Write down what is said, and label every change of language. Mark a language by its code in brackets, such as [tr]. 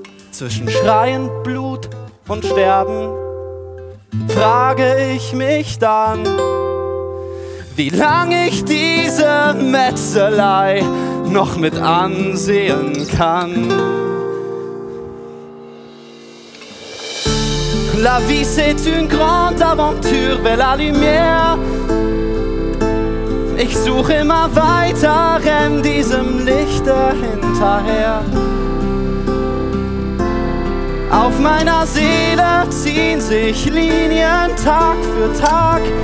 [de] Zwischen schreiend Blut und Sterben frage ich mich dann, wie lange ich diese Metzelei noch mit ansehen kann. [fr] La vie c'est une grande aventure vers la lumière. [de] Ich suche immer weiter in diesem Lichte hinterher. Auf meiner Seele ziehen sich Linien Tag für Tag.